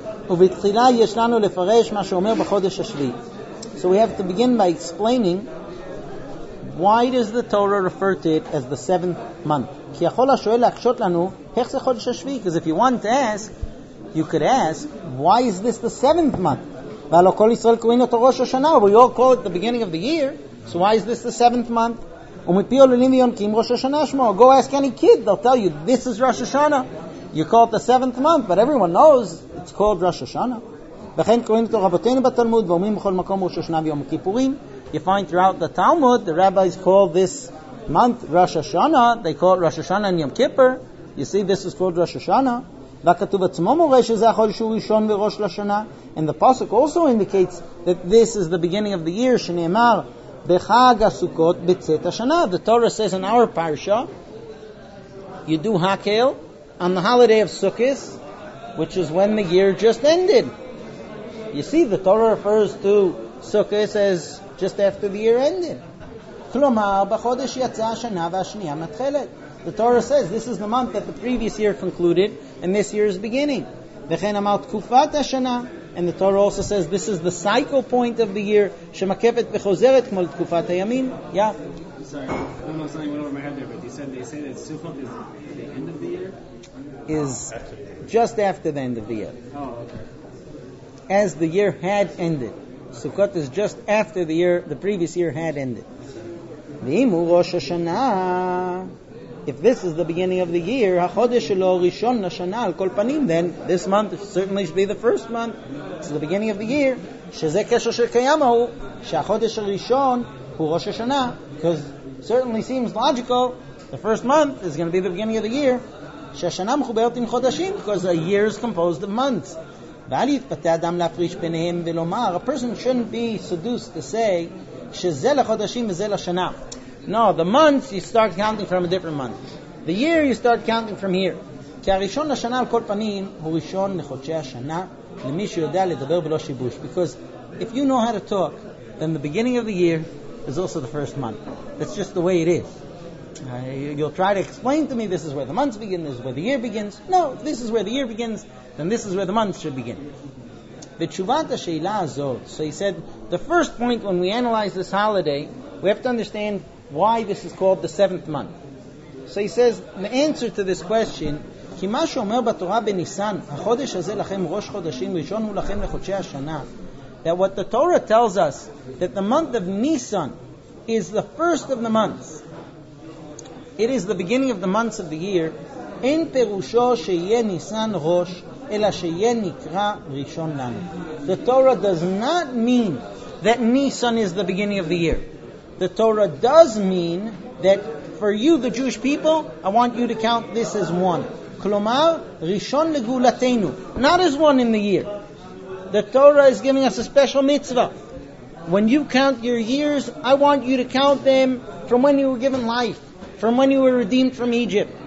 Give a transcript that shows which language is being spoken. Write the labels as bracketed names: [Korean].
[Hebrew] ובתחילה יש לנו לפרש מה שאומר בחודש השביעי. [English] So we have to begin by explaining why does the Torah refer to it as the seventh month? [Hebrew] כי יכול השואל להקשות לנו איך זה חודש השביעי? [English] Because if you want to ask, you could ask, why is this the seventh month? [Hebrew] ועל כל ישראל קוראים אותו ראש השנה, [English] we all call it the beginning of the year, so why is this the seventh month? [Hebrew] ומפי עוללים ויונקים ראש השנה שמו. [English] Go ask any kid, they'll tell you, this is Rosh Hashanah. You call it the seventh month, but everyone knows it's called Rosh Hashanah. [Hebrew] וכן קוראים אותו רבותינו בתלמוד, ואומרים בכל מקום ראש השנה ויום הכיפורים. [English] You find throughout the Talmud, the rabbis call this month Rosh Hashanah. They call it Rosh Hashanah and Yom Kippur. You see, this is called Rosh Hashanah. [Hebrew] והכתוב עצמו מורה שזה החודש שהוא ראשון וראש לשנה. [English] And the pasuk also indicates that this is the beginning of the year, [Hebrew] שנאמר, בחג הסוכות בצאת השנה. [English] The Torah says in our parsha, you do hakel on the holiday of Sukkot, which is when the year just ended. You see, the Torah refers to Sukkot as just after the year ended. [Hebrew] כלומר, בחודש יצאה השנה והשנייה מתחלת. [English] The Torah says this is the month that the previous year concluded and this year is beginning. [Hebrew] וכן אמר תקופת השנה. [English] And the Torah also says this is the cycle point of the year. [Hebrew] שמקפת וחוזרת כמו לתקופת הימים. [English] Yeah. I'm sorry. I don't know something went over my head there, but you said they say that Sukkot is the end of the year? Is just after the end of the year. Oh, okay. As the year had ended. Sukkot is just after the year, the previous year had ended. [Hebrew] ואם הוא ראש השנה... [English] If this is the beginning of the year, [Hebrew] החודש שלו ראשון לשנה על כל פנים, [English] then this month certainly should be the first month. It's the beginning of the year. [Hebrew] שזה קשר שקיים הוא, שהחודש הראשון הוא ראש השנה, [English] because it certainly seems logical, the first month is going to be the beginning of the year, [Hebrew] שהשנה מחוברת עם חודשים, [English] because a year is composed of months. [Hebrew] ואל יתפתה אדם להפריש ביניהם ולומר, [English] a person shouldn't be seduced to say, [Hebrew] שזה לחודשים וזה לשנה. [English] No, the months you start counting from a different month. The year you start counting from here. [Hebrew] כי הראשון לשנה על כל פנים הוא ראשון לחודשי השנה למי שיודע לדבר בלא שיבוש. [English] Because if you know how to talk, then the beginning of the year is also the first month. That's just the way it is. You'll try to explain to me this is where the months begin, this is where the year begins. No, if this is where the year begins, then this is where the months should begin. [Hebrew] ותשובת השאלה הזאת. [English] So he said, the first point when we analyze this holiday, we have to understand why this is called the seventh month. So he says, the answer to this question, [Hebrew] כי מה שאומר בתורה בניסן, החודש הזה לכם ראש חודשים, ראשון הוא לכם לחודשי השנה, [English] that what the Torah tells us, that the month of Nisan is the first of the months. It is the beginning of the months of the year. [Hebrew] אין פירושו שיהיה ניסן ראש, אלא שיהיה נקרא ראשון לנו. [English] The Torah does not mean that Nisan is the beginning of the year. The Torah does mean that for you, the Jewish people, I want you to count this as one. [Hebrew] Kolomar, Rishon Legulatenu. [English] Not as one in the year. The Torah is giving us a special mitzvah. When you count your years, I want you to count them from when you were given life, from when you were redeemed from Egypt.